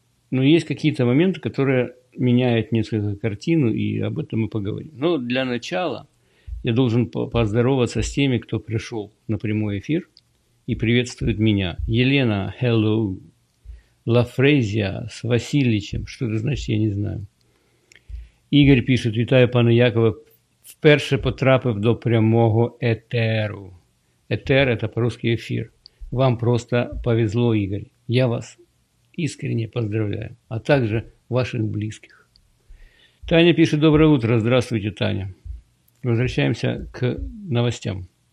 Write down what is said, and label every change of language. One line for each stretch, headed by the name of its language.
Russian: Но есть какие-то моменты, которые меняют несколько картину, и об этом мы поговорим. Но для начала я должен поздороваться с теми, кто пришел на прямой эфир и приветствует меня. Елена, hello. Лафрезия с Васильичем. Что это значит, я не знаю. Игорь пишет,
Ukrainian: вітаю пана Якова, вперше потрапив до прямого етеру.
Russian: Етер – это по-русски эфир. Вам просто повезло, Игорь. Я вас искренне поздравляю. А также ваших близких. Таня пишет, доброе утро. Здравствуйте, Таня. Возвращаемся к новостям.